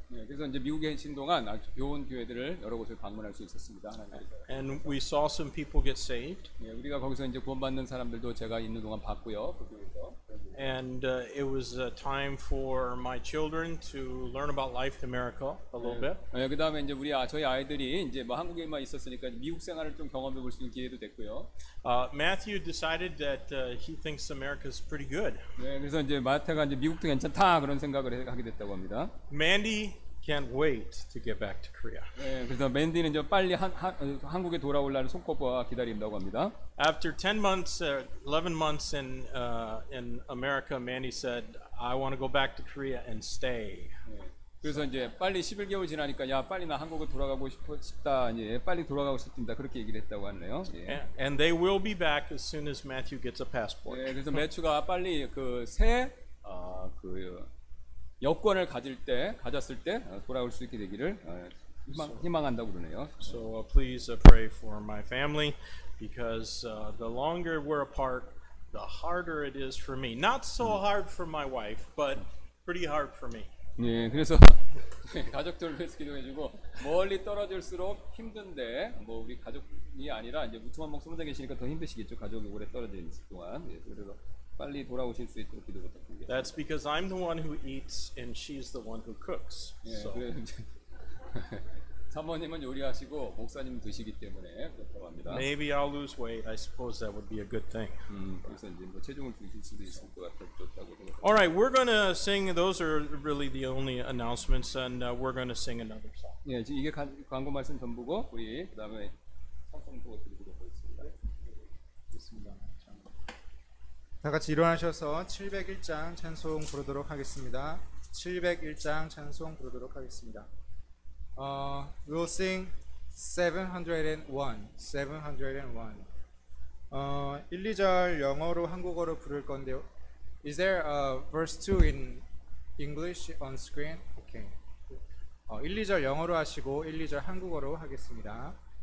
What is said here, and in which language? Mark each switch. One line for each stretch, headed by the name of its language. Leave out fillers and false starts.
Korean: 네, 그래서 이제 미국에 있는 동안 아주 좋은 교회들을 여러 곳을 방문할 수 있었습니다.
English: And we saw some people get saved.
Korean: 네, 우리가 거기서 이제 구원받는 사람들도 제가 있는 동안 봤고요.
English: And it was a time for my children to learn about life in America a little bit.
Korean: 네, 그다음에 이제 우리 저희 아이들이 이제 뭐 한국에만 있었으니까 미국 생활을 좀 경험해 볼 수 있는 기회도 됐고요.
English: Matthew decided that he thinks America is pretty good.
Korean: 네, 그래서 이제 마태가 이제 미국도 괜찮다 그런 생각을 하게 됐다고 합니다.
English: Mandy can't wait to get back to Korea.
Korean: 그래서 맨디는 좀 빨리 한국에 돌아올 날을 손꼽아 기다린다고 합니다.
English: After 10 months, 11 months in America, Manny said, "I want to go back to Korea and stay."
Korean: 그래서 이제 빨리 11개월 지나니까 야 빨리 나 한국에 돌아가고 싶다 이제 빨리 돌아가고 싶다 그렇게 얘기를 했다고 하네요. 예.
English: And they will be back as soon as Matthew gets a passport.
Korean: 예, 그래서 매튜가 빨리 그 새 그 여권을 가질 때 가졌을 때 돌아올 수 있게 되기를 희망한다고 그러네요.
English: So please pray for my family because the longer we're apart, the harder it is for me. Not so hard for my wife, but pretty hard for me.
Korean: 네, 그래서 가족들을 위해서 기도해주고 멀리 떨어질수록 힘든데 뭐 우리 가족이 아니라 이제 무투만 목 숨어져 계시니까 더 힘드시겠죠 가족이 오래 떨어져 있는 동안 예, 그래서 빨리 돌아오실 수 있도록 기도 부탁드립니다.
English: That's because I'm the one who eats and she's the one who cooks.
Korean: 네, 그래서 사모님은 요리하시고 목사님 드시기 때문에 그렇다고 합니다.
English: Maybe I'll lose weight. I suppose that would be a good thing.
Korean: 그래서 이제 뭐 체중을 줄일 수도 있을 것 같아 좋다고 생각합니다.
English: All right, we're gonna sing. Those are really the only announcements, and we're gonna sing another song.
Korean: 예, 이제 이게 광고 말씀 전부고 우리 그다음에 찬송 부르고 드리도록 하겠습니다. 좋습니다. 다 같이 일어나셔서 701장 찬송 부르도록 하겠습니다. 701장 찬송 부르도록 하겠습니다.
English: We'll sing 701.
Korean: 1, 2절 영어로 한국어로 부를 건데요.
English: Is there a verse 2 in English on screen? Okay.
Korean: 1, 2절 영어로 하시고 1, 2절 한국어로 하겠습니다.